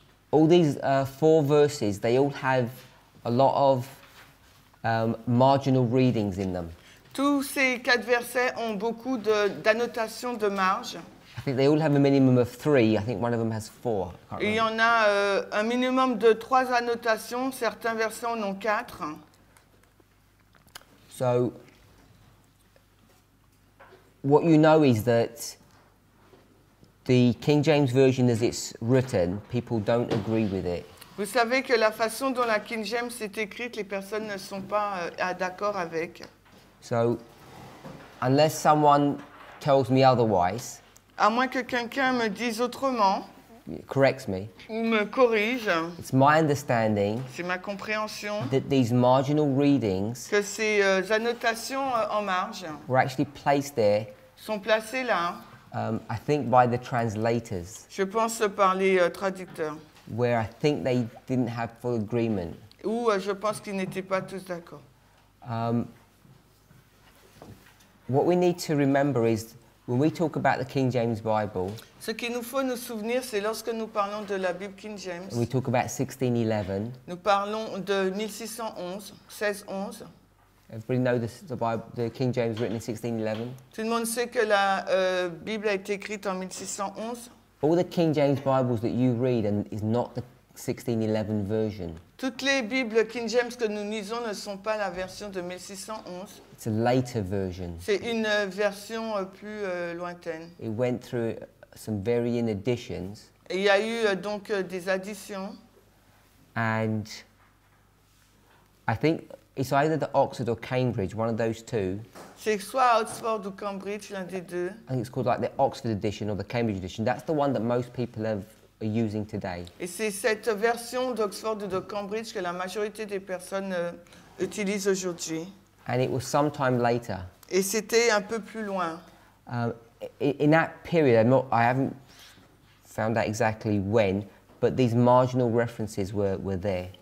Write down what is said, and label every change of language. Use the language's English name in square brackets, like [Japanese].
[English] All these four verses, they all have a lot of marginal readings in them. [French] Tous ces quatre versets ont beaucoup de, d'annotations de marge. [English] I think they all have a minimum of three. I think one of them has four. I can't remember. [French] Il y en a un minimum de trois annotations. Certains versets en ont quatre. [English] So, what you know is that the King James Version as it's written, people don't agree with it. [French] Vous savez que la façon dont la King James est écrite, les personnes ne sont pas d'accord avec. [English] So, unless someone tells me otherwise, [French] à moins que quelqu'un me dise autrement, [English] corrects me, [French] ou me corrige, [English] it's my understanding, [French] c'est ma compréhension, [English] that these marginal readings, [French] que ces annotations en marge, [English] were actually placed there, [French] sont placées là, [English] I think by the translators, [French] je pense par les traducteurs, [English] where I think they didn't have full agreement, [French] où je pense qu'ils n'étaient pas tous d'accord. [English] What we need to remember is when we talk about the King James Bible. [French] Ce qu'il nous faut nous souvenir, c'est lorsque nous parlons de la Bible King James. [English] We talk about 1611. [French] Nous parlons de 1611. [English] Everybody know the Bible, the King James written in 1611. [French] Tout le monde sait que la Bible a été écrite en 1611. [English] All the King James Bibles that you read and is not the 1611 version. [French] Toutes les Bibles King James que nous lisons ne sont pas la version de 1611. [English] It's a later version. [French] C'est une version plus lointaine. [English] It went through some varying additions. [French] Il y a eu donc des additions. [English] And I think it's either the Oxford or Cambridge, one of those two. [French] C'est soit Oxford ou Cambridge, l'un des deux. [English] I think it's called like the Oxford edition or the Cambridge edition. That's the one that most people have are using today. [French] Et c'est cette version d'Oxford ou de Cambridge que la majorité des personnes utilisent aujourd'hui. [English] And it was sometime later. [French] Et c'était un peu plus loin. [English] In that period, I haven't found out exactly when, but these marginal references were there.